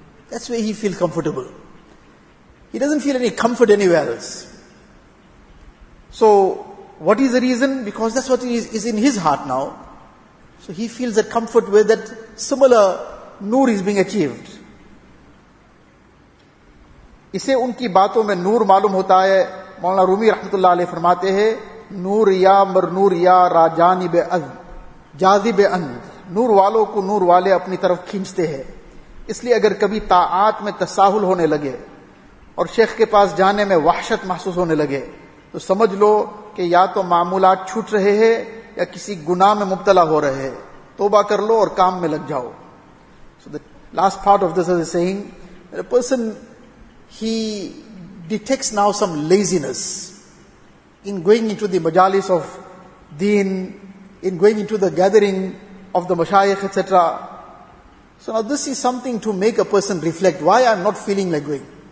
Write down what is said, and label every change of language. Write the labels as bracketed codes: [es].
[en] That's where he feels comfortable. He doesn't feel any comfort anywhere else. So, what is the reason? Because that's what is in his heart now. So he feels that comfort where that similar noor is being achieved. [ur] اسے ان کی باتوں میں نور معلوم ہوتا ہے. مولانا رومی رحمت اللہ علیہ فرماتے ہیں, [fa] نور یا مر نور یا را جانب اذ جاذب اند, [ur] نور والوں کو نور والے اپنی طرف کھینچتے ہیں. اس لیے اگر کبھی طاعات میں تساہل ہونے لگے اور شیخ کے پاس جانے میں وحشت محسوس ہونے لگے تو سمجھ لو کہ یا تو معمولات چھوٹ رہے ہیں یا کسی گناہ میں مبتلا ہو رہے ہیں. توبہ کر لو اور کام میں لگ جاؤ. [en] So the last part of this is saying, person he detects now some laziness in going into the majalis of deen, in going into the gathering of the mashayikh, etc. So now this is something to make a person reflect, why I'm not feeling like going.